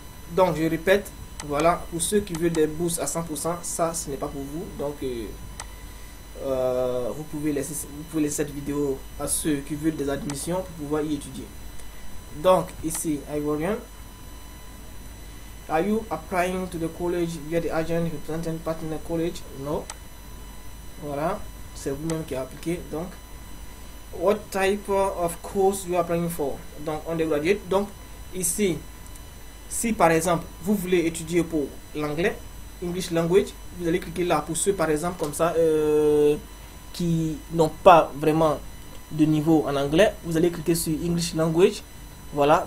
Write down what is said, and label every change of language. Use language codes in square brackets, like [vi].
[fr] Donc je répète, voilà, pour ceux qui veulent des bourses à 100%, ça ce n'est pas pour vous. Donc vous pouvez laisser cette vidéo à ceux qui veulent des admissions pour pouvoir y étudier. Donc ici, Ivorian. [en] Are you applying to the college via the agent representing partner college? No. Voilà. [fr] C'est vous-même qui a appliqué. [en] Donc, what type of course you are applying for? [fr] Donc, undergraduate. Donc, ici, si par exemple vous voulez étudier pour l'anglais, English language, vous allez cliquer là. Pour ceux par exemple comme ça qui n'ont pas vraiment de niveau en anglais, vous allez cliquer sur English language. Voilà.